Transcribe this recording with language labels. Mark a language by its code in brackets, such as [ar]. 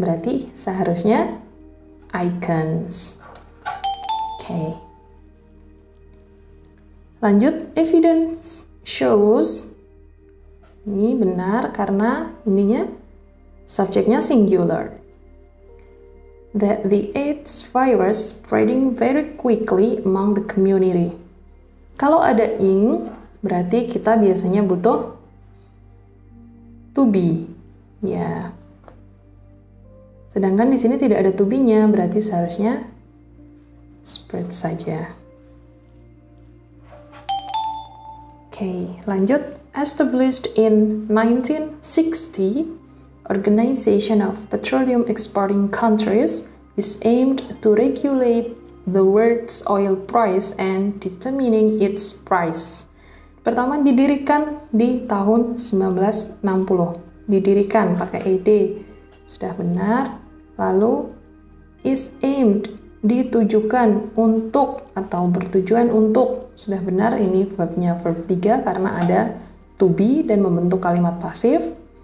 [id] Berarti seharusnya icons. Okay. Lanjut, [en] evidence shows. [id] Ini benar karena ininya subjeknya singular. [en] That the AIDS virus spreading very quickly among the community. [id] Kalau ada ing, berarti kita biasanya butuh to be. Ya. Sedangkan di sini tidak ada to be-nya, berarti seharusnya spread saja. Okay, lanjut. [en] Established in 1960, Organization of Petroleum Exporting Countries is aimed to regulate the world's oil price and determining its price. [id] Pertama didirikan di tahun 1960. Didirikan pakai ED. Sudah benar. Lalu [en] is aimed, [id] ditujukan untuk atau bertujuan untuk. Sudah benar, ini verbnya verb 3 karena ada to be dan membentuk kalimat pasif.